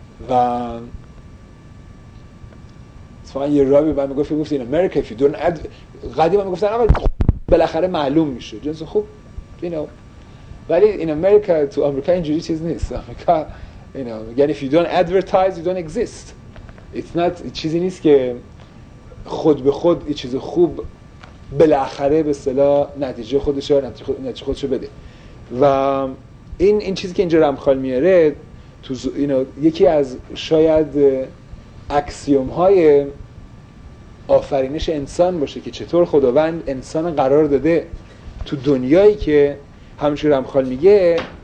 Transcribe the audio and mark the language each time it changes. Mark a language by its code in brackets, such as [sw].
[fa] و اصلا یه رابی بهم گفت گفت این امریکا [en] if you don't add [fa] قدیم هم گفتن اول بالاخره معلوم میشه جنس خوب [en] you know. [fa] ولی این امریکا تو امریکا اینجوری چیز نیست. [en] امریکا you know, again if you don't advertise you don't exist. It's not [fa] چیزی نیست که خود به خود یه چیز خوب بالاخره به اصطلاح نتیجه خودشه نتیجه خودشو بده. و این چیزی که اینجا رمخال میاره تو [en] you know, [fa] یکی از شاید اکسیوم های آفرینش انسان باشه که چطور خداوند انسان قرار داده تو دنیایی که همچون رمخال میگه